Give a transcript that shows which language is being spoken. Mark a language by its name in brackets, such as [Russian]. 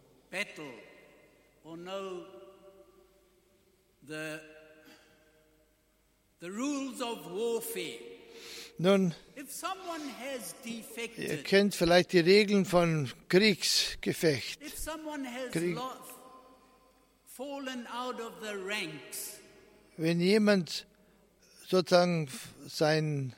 [English] Battle or know the rules of warfare. [German] Nun, [English] if someone has defected, [German] ihr kennt vielleicht die Regeln von Kriegsgefecht. [English] If someone has fallen out of the ranks, [German] wenn jemand sozusagen sein,